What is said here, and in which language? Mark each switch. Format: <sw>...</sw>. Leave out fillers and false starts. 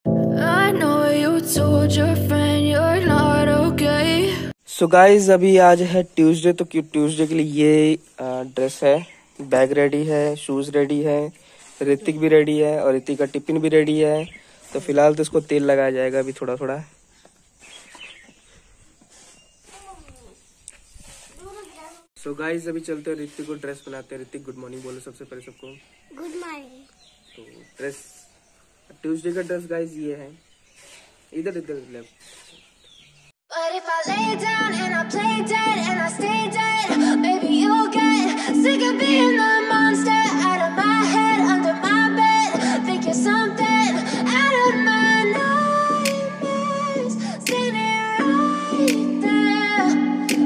<en>told your friend you're not okay.</en> <hi>So guys, अभी आज है ट्यूसडे, तो ट्यूसडे के लिए ये ड्रेस है, बैग रेडी है, शूज रेडी है, ऋतिक भी रेडी है और ऋतिक का टिफिन भी रेडी है. तो फिलहाल तो इसको तेल लगाया जाएगा अभी थोड़ा थोड़ा. सो गाइज, अभी चलते हैं ऋतिक को ड्रेस पहनाते हैं. ऋतिक गुड मॉर्निंग बोलो सबसे पहले सबको.</hi> <en>Good morning.</en> <hi>तो ड्रेस, ट्यूसडे का ड्रेस गाइज ये है. इधर इधर left.</hi> <en>But if I lay down and I play dead and I stay dead, maybe you'll get sick of being the monster out of my head, under my bed. Think you're something out of my nightmares, standing right there.</en>